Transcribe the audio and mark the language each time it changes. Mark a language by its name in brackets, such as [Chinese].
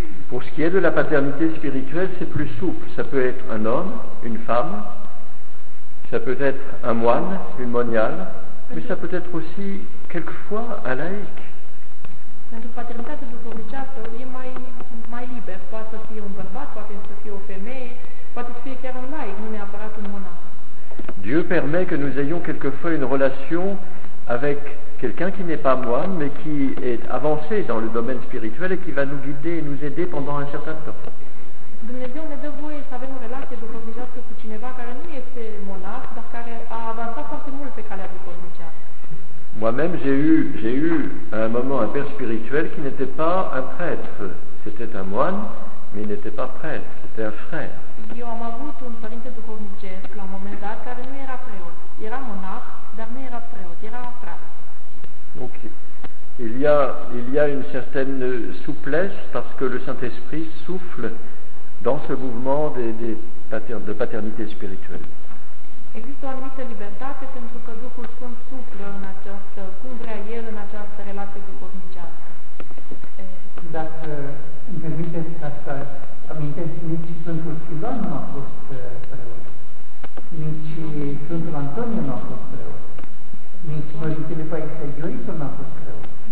[French] Pour ce qui est de la paternité spirituelle, c'est plus souple. Ça peut être un homme, une femme, ça peut être un moine, une moniale, mais ça peut être aussi quelquefois un laïc. [Romanian] Pentru paternitate duhovnicească e mai liber. Poate să fie un bărbat, poate să fie o femeie, poate să fie chiar un laic, nu neapărat un monac. [French] Dieu permet que nous ayons quelquefois une relation avec quelqu'un qui n'est pas moine, mais qui est avancé dans le domaine spirituel et qui va nous guider et nous aider pendant un certain temps. [Romanian] Dumnezeu ne dă voie să avem o relație duhovnicească cu cineva care nu este monac, dar care a avansat foarte mult pe calea duhovnicească. [French] Moi-même, j'ai eu à un moment un père spirituel qui n'était pas un prêtre. C'était un moine, mais il n'était pas prêtre, c'était un frère. [Romanian] Eu am avut un părinte duhovnicesc la un moment dat care nu era preot. Era monac, dar nu era preot, era frate. [French] Donc, il y a une certaine souplesse parce que le Saint-Esprit souffle dans ce mouvement de paternité spirituelle. [Romanian] Există o anumită libertate pentru că Duhul Sfânt suflă în această, cum vrea El, în această relație duhovnicească. Dacă îmi permiteți ca să amintesc, nici Sfântul Filon nu a fost preot, nici Sfântul Antonie nu a fost preot, nici Părintele Paisie Ioisul nu a fost preot.